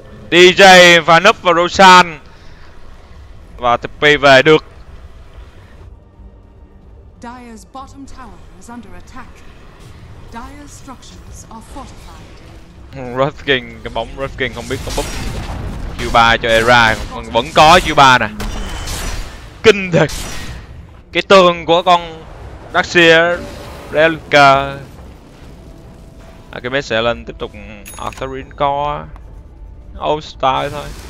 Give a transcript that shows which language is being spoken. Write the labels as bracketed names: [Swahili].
[Vietnamese] DJ và núp vào Roshan và TP về được. [English] Dire's bottom tower is under attack. Dire's structures are fortified. [Vietnamese] Rough King, cái bóng Rough King không biết có búp chiêu 3 cho Era, vẫn có chiêu 3 nè. Kinh thật. Cái tường của con Daxia Relker Archimedes sẽ lên tiếp tục Arthurian Core Old Style thôi.